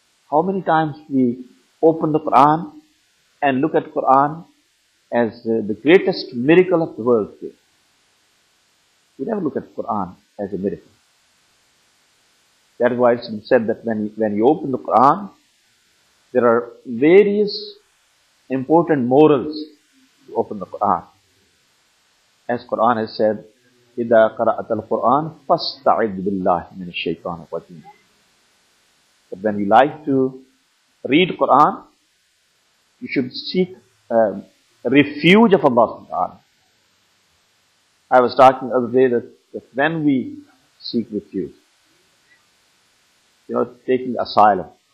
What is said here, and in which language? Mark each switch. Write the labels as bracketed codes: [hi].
[en] How many times we open the Quran and look at Quran as the greatest miracle of the world today? We never look at Quran as a miracle. That is why it's been said that when you open the Quran, there are various important morals to open the Quran. As Quran has said, [ar] إِذَا قَرَأَتَ الْقُرْآنَ فَاسْتَعِذْ بِاللَّهِ مِنَ الشَّيْطَانِ الرَّجِيمِ. [en] But when you like to read Quran, you should seek refuge of Allah subhanahu wa ta'ala. I was talking the other day that when we seek refuge, you know, taking asylum.